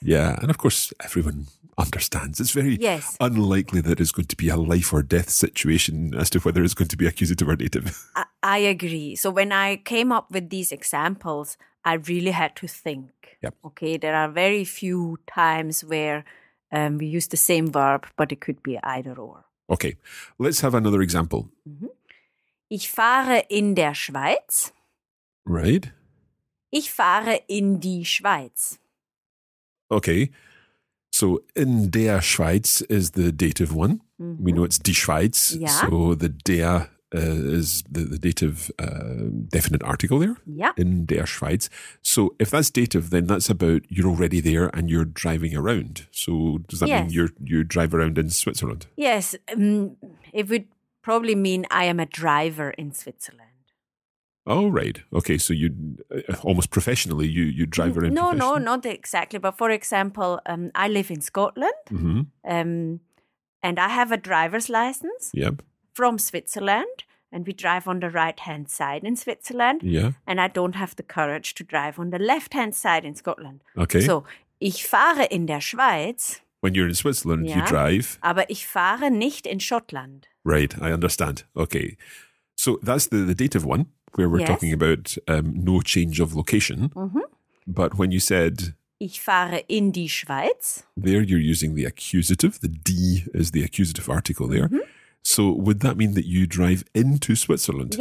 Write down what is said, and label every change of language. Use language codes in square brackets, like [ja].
[en] Yeah, and of course everyone understands. It's very unlikely that it's going to be a life or death situation as to whether it's going to be accusative or dative. I agree. So when I came up with these examples, I really had to think. Yep. Okay, there are very few times where we use the same verb, but it could be either or. Okay, let's have another example. Mm-hmm. [de] Ich fahre in der Schweiz. [en] Right. [de] Ich fahre in die Schweiz. [en] Okay. So [de] in der Schweiz [en] is the dative one. Mm-hmm. We know it's die Schweiz. Yeah. So the der is the dative definite article there. Yeah. [de] In der Schweiz. [en] So if that's dative, then that's about you're already there and you're driving around. So does that mean you drive around in Switzerland? Yes. It would probably mean I am a driver in Switzerland. Oh, right. Okay, so you almost professionally, you drive around. No, not exactly. But for example, I live in Scotland, mm-hmm. And I have a driver's license from Switzerland, and we drive on the right-hand side in Switzerland, and I don't have the courage to drive on the left-hand side in Scotland. Okay. [de] So, ich fahre in der Schweiz. [en] When you're in Switzerland, you drive. [de] Aber ich fahre nicht in Schottland. [en] Right, I understand. Okay. So, that's the dative one. Where we're talking about no change of location. Mm-hmm. But when you said, [de] ich fahre in die Schweiz. [en] There you're using the accusative. The D is the accusative article there. Mm-hmm. So would that mean that you drive into Switzerland?